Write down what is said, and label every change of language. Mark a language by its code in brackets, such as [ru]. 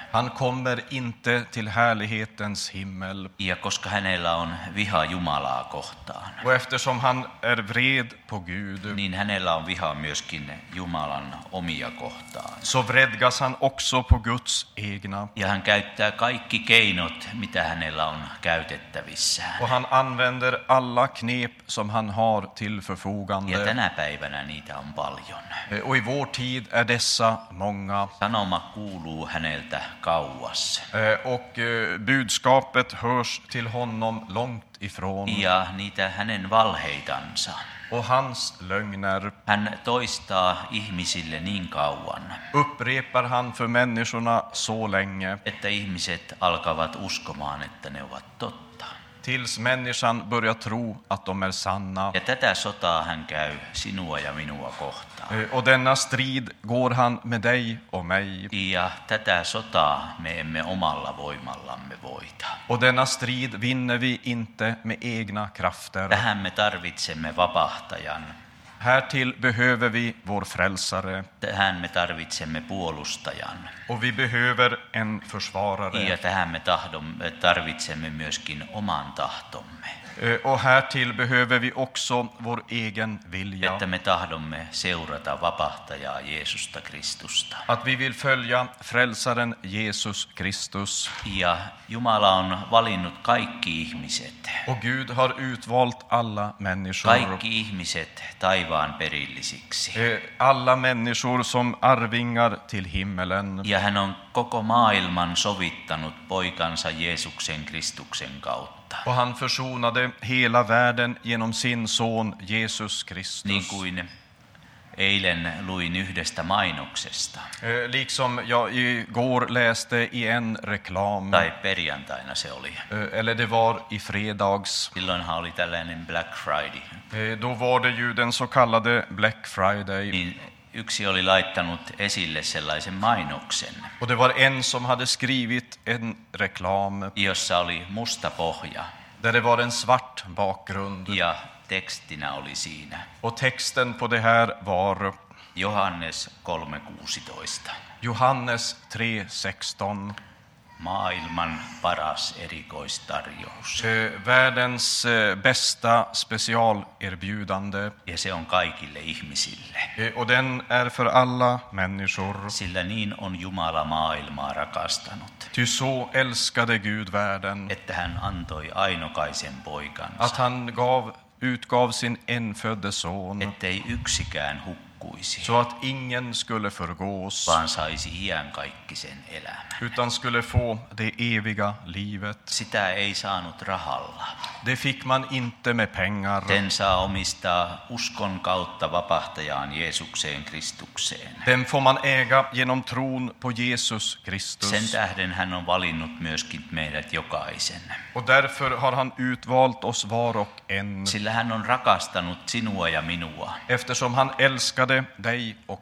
[sv] Han kommer inte till härlighetens himmel. [fi] Ja koska hänellä on viha Jumalaa kohtaan. [sv] Och eftersom han är vred på Gud. [fi] Niin hänellä on viha myöskin Jumalan omia kohtaan. [sv] Så vredgas han också på Guds egna. [fi] Ja hän käyttää kaikki keinot, mitä hänellä on käytettävissään. [sv] Och han använder alla knep som han har till förfogande. [fi] Ja tänä päivänä niitä on paljon. [sv] Och i vår tid är dessa många. [fi] Sanoma kuuluu häneltä kauas. [sv] Och budskapet hörs till honom långt ifrån. [fi] Ja niitä hänen valheitansa. [sv] Och hans lögner. [fi] Hän toistaa ihmisille niin kauan. [sv] Upprepar han för människorna så länge. [fi] Että ihmiset alkavat uskomaan, että ne ovat totta. [sv] Tills människan börjar tro att de är sanna. [fi] Ja tätä sotaa hän käy sinua ja minua kohtaan. [sv] Och denna strid går han med dig och mig. [fi] Ja tätä sotaa me emme omalla voimallamme voita. [sv] Och denna strid vinner vi inte med egna krafter. [fi] Tähän me tarvitsemme vapahtajan. [sv] Härtill behöver vi vår frälsare. [fi] Tähän me tarvitsemme puolustajan. [sv] Och vi behöver en försvarare. [fi] Ja tähän me tarvitsemme myöskin oman tahtomme. [sv] Och här till behöver vi också vår egen vilja. [fi] Että me tahdomme seurata vapahtajaa Jeesusta Kristusta. [sv] Att vi vill följa frälsaren Jesus Kristus. [fi] Ja Jumala on valinnut kaikki ihmiset. [sv] Och Gud har utvalt alla människor. [fi] Kaikki ihmiset taivaan perillisiksi. [sv] Alla människor som arvingar till himmelen. [fi] Ja hän on koko maailman sovittanut poikansa Jeesuksen Kristuksen kautta. [sv] Och han försonade hela världen genom sin son Jesus Kristus. [fi] Niin kuin eilen luin yhdestä mainoksesta. [sv] Liksom jag igår läste i en reklam. [fi] Tai perjantaina se oli. [sv] Eller det var i fredags. [fi] Silloinhan oli tällainen Black Friday. [sv] Då var det ju den så kallade Black Friday. [fi] Niin yksi oli laittanut esille sellaisen mainoksen. [sv] Och det var en som hade skrivit en reklam. [fi] Jossa oli musta pohja. [sv] Där det var en svart bakgrund. [fi] Ja textinä oli siinä. [sv] Och texten på det här var [fi] Johannes 3:16. [sv] Johannes 3:16. [fi] Maailman paras erikoistarjous. [sv] Världens bästa specialerbjudande. [fi] Ja se on kaikille ihmisille. [sv] Och den är för alla människor. [fi] Sillä niin on Jumala maailmaa rakastanut. [sv] Ty så älskade Gud världen. [fi] Että hän antoi ainokaisen poikansa. [sv] Att han utgav sin enfödde son. [fi] Ettei yksikään hukkuisi. [sv] Så att ingen skulle förgås, [fi] vaan saisi iankaikkisen elämän. [sv] Utan skulle få det eviga livet. [fi] Sitä ei saanut rahalla. [sv] Det fick man inte med pengar. [fi] Den saa omistaa uskon kautta vapahtajaan Jeesukseen Kristukseen. [sv] Den får man äga genom tron på Jesus Kristus. [fi] Sen tähden hän on valinnut myöskin meidät jokaisen. [sv] Och därför har han utvalt oss var och en. [fi] Sillä hän on rakastanut sinua ja minua. [sv] Eftersom han älskade dig och